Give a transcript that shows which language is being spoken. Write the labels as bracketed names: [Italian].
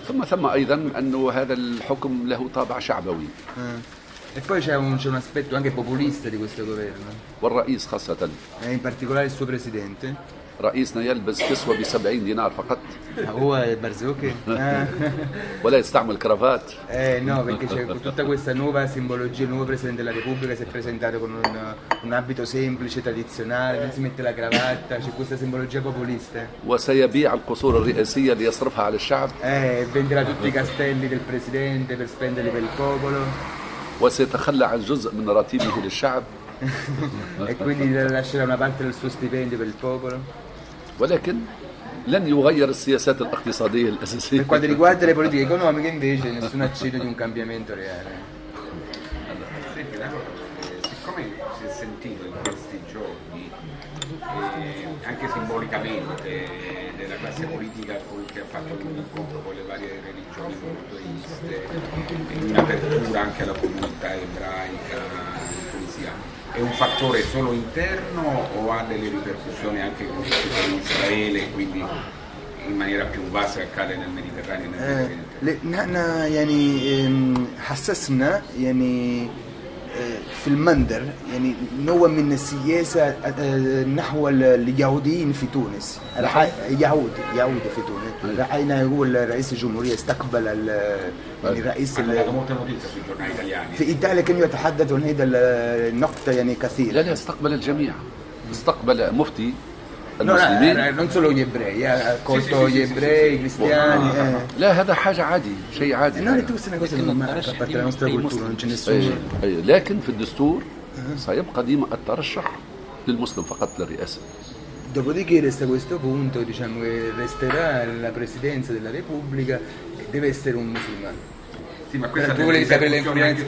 [Arabic] ثم ايضا انه هذا الحكم له طابع شعبوي. [Italian] E poi c'è un aspetto anche populista di questo governo. [Arabic] والرئيس خاصة. [Italian] E in particolare il suo presidente. [Arabic] رئيسنا يلبس كسوة بسبعين دينار فقط. هو برزوكي. ولا يستعمل كرافات. [Italian] إيه نو، perché c'è tutta questa nuova simbologia, il nuovo presidente della Repubblica si è presentato con un abito semplice, tradizionale, non si mette la cravatta, c'è questa simbologia populista. [Arabic] وسيبيع القصور الرئاسية ليصرفها على الشعب. [Italian] إيه venderà tutti i castelli del presidente per spenderli per il popolo. [Arabic] وسيتخلى عن جزء من راتبه للشعب. [Italian] E quindi lascerà una parte del suo stipendio per il popolo. [Arabic] ولكن لن يغير السياسات الاقتصادية الأساسية. [Italian] Per quanto riguarda le politiche economiche invece nessun accenno di un cambiamento reale. Siccome si è sentito in questi giorni anche simbolicamente della classe politica che ha fatto incontro con le varie religioni monoteiste, un'apertura anche alla comunità ebraica in Tunisia, è un fattore solo interno o ha delle ripercussioni anche con Israele, quindi in maniera più vasta accade nel Mediterraneo e nel Mediterraneo? [Arabic] نحن يعني حسسنا يعني في المندر يعني نوع من السياسة نحو اليهوديين في تونس يهود في تونس. رأينا يقول رئيس الجمهورية استقبل يعني رئيس في إيطاليا كان يتحدث عن هذا النقطة يعني كثير. لا استقبل الجميع، استقبل مفتي المسلمين. [Italian] لا non solo gli ebrei, ha accolto gli ebrei cristiani. [Arabic] لا هذا حاجة عادي، شيء عادي. No, تو سنة قصة في لكن في الدستور سيبقى ديما الترشح للمسلم فقط للرئاسة. [Italian] Dopodiché resta questo punto, diciamo che resterà la presidenza della Repubblica e deve essere un musulmano. Sì, ma questa vuole sapere le informazioni